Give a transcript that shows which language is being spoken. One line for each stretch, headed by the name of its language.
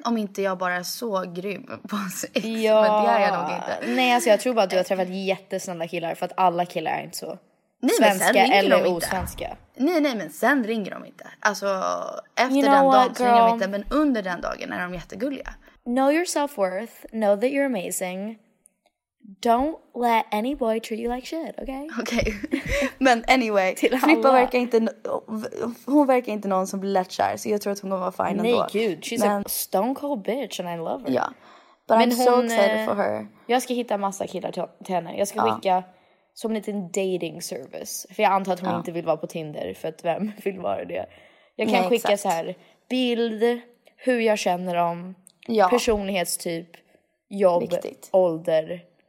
Swedish: Om inte jag bara är så grym på sex. Ja. Men det är jag nog inte. Nej, alltså jag tror bara att du har träffat jättesnälla killar. För att alla killar är inte så svenska eller osvenska. Nej, men sen ringer de inte. Alltså, efter den dagen ringer de inte. Men under den dagen är de jättegulliga.
English: Know your self-worth. Know that you're amazing. Don't let any boy treat you like shit, okay?
Swedish: Okay. Men anyway, Filippa verkar inte... Hon verkar inte någon som blir lättkär, så jag tror att hon kommer vara fine ändå. Nej, gud.
English: She's a stone cold bitch and I love her. Ja. Yeah. But I'm so excited for her.
Swedish: Jag ska hitta massa killar till henne. Jag ska skicka som en liten dating service. För jag antar att hon inte vill vara på Tinder, för att vem vill vara det? Jag kan skicka så här bild, hur jag känner dem, personlighetstyp, jobb, ålder...